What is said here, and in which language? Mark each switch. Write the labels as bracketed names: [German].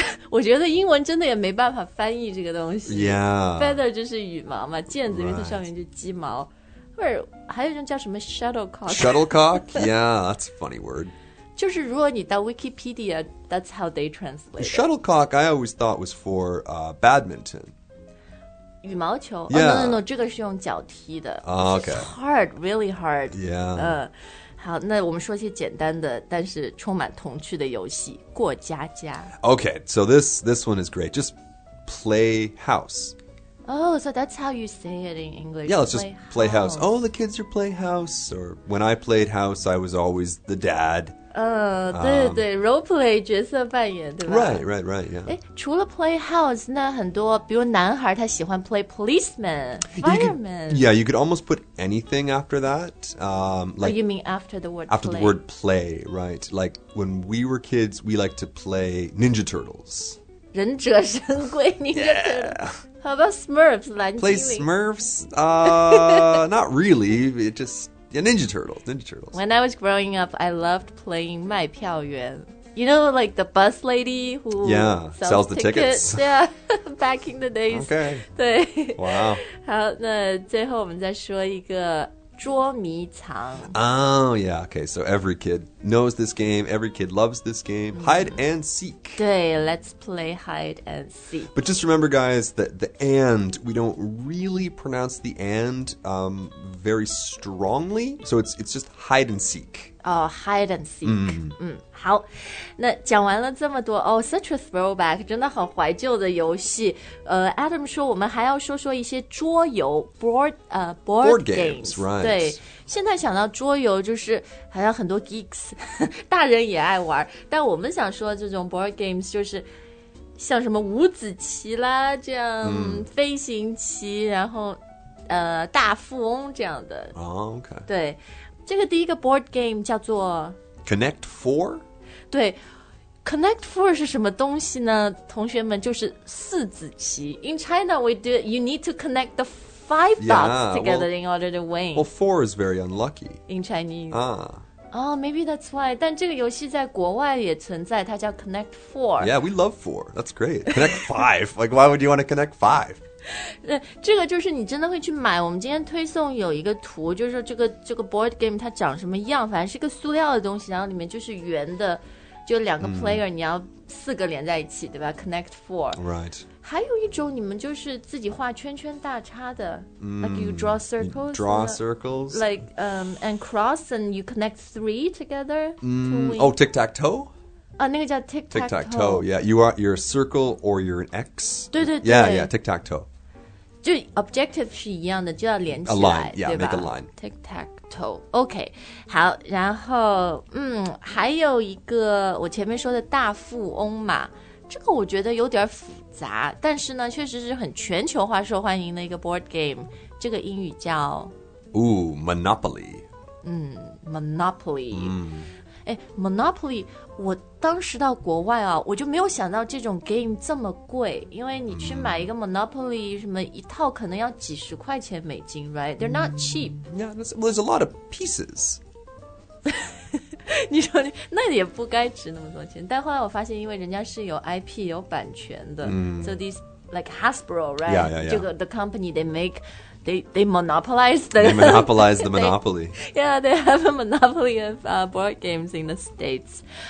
[Chinese] 我觉得英文真的也没办法翻译这个东西。 [English] Yeah. [Chinese] Feather 就是羽毛嘛毽子因为它上面就鸡毛。 [English] Right. [Chinese] 或者还有一种叫什么 shuttlecock [English] shuttlecock yeah that's a funny word [Chinese] 就是如果你到 [English] wikipedia that's how they translate shuttlecock I always thought was for badminton [Chinese] 羽毛球 [English] yeah. Oh, no, [Chinese] 这个是用脚踢的、 [English] okay. It's hard really hard yeah、 [Chinese] 好那我们说些简单的但是充满童趣的游戏过家家 [English] okay so this one is great just play house Oh, so that's how you say it in English. Yeah, let's just play house. Oh, the kids are play house. Or when I played house, I was always the dad. [Chinese] 对对 role play 角色扮演对吧 [English] Right, right, right, yeah. [Chinese] 除了 play house, 那很多比如男孩他喜欢 [English] play policeman, fireman. Yeah, you could almost put anything after that. You mean after the word after play? After the word play, right. Like when we were kids, we liked to play Ninja Turtles. [Chinese] 忍者神龟 Ninja Turtles. [English] Yeah. How about Smurfs? Play Smurfs? not really. It just, yeah, Ninja Turtles. Ninja Turtles. When I was growing up, I loved playing [Chinese] 卖票员. [English] You know, like the bus lady who sells the tickets. Yeah, back in the days. Okay. [Chinese] 对。 [English] Wow. [Chinese] 好，那最后我们再说一个捉迷藏。 [English] Oh, yeah. Okay, so every kid knows this game. Every kid loves this game. Hide and seek. 对, let's play hide and seek. But just remember, guys, that the and, we don't really pronounce the and very strongly. So it's just hide and seek. Oh, hide and seek. Mm. [Chinese] 好，那讲完了这么多哦、 [English] such a throwback, [Chinese] 真的很怀旧的游戏。 Adam 说我们还要说说一些桌游 board games, [English] right. [Chinese] 对，现在想到桌游就是好像很多 geeks, 大人也爱玩，但我们想说这种 board games 就是像什么五子棋啦，这样、飞行棋，然后大富翁这样的。 [English] 哦、oh, okay. [Chinese] 对，这个第一个 board game 叫做 [English] Connect Four? [Chinese] 对 ,Connect Four 是什么东西呢？同学们，就是四子棋。 [English] In China, we do it, you need to connect the five dots together in order to win. Well, four is very unlucky. In Chinese. Ah. Oh, maybe that's why. [Chinese] 但这个游戏在国外也存在，它叫 Connect Four. [English] Yeah, we love four. That's great. Connect five. Like, why would you want to connect five? [Chinese] 这个就是你真的会去买，我们今天推送有一个图，就是这个 board game 它长什么样，反正是个塑料的东西，然后里面就是圆的，就两个 player、你要四个连在一起，对吧？ [English] Connect Four. Right. [Chinese] 还有一种你们就是自己画圈圈大叉的、 [English] like you draw circles. You draw circles. Like and cross and you connect three together. Oh, tic-tac-toe? [Chinese] 啊，那个叫 [English] tic-tac-toe. Yeah, you're a circle or you're an X. [Chinese] 对对对。 [English] Yeah, tic-tac-toe. [Chinese] 就 objective 是一样的，就要连起来。 [English] A line, yeah, [Chinese] 对吧？ [English] Make a line. Tic-tac-toe. [Chinese] OK, 好，然后还有一个我前面说的大富翁嘛，这个我觉得有点复杂，但是呢，确实是很全球化受欢迎的一个 board game. 这个英语叫 [English] Ooh, Monopoly. Monopoly. [Chinese] Monopoly, 我当时到国外啊，我就没有想到这种 game 这么贵，因为你去买一个 Monopoly, 什么一套可能要几十块钱美金, right? [English] They're not cheap. Yeah, there's a lot of pieces. [Chinese] 你说你那也不该值那么多钱，但后来我发现因为人家是有 IP, 有版权的、 [English] so these, like Hasbro, right? Yeah, yeah, yeah. [Chinese] 这个 [English] the company they make... They monopolize the... They monopolize the monopoly. Yeah, they have a monopoly of board games in the States.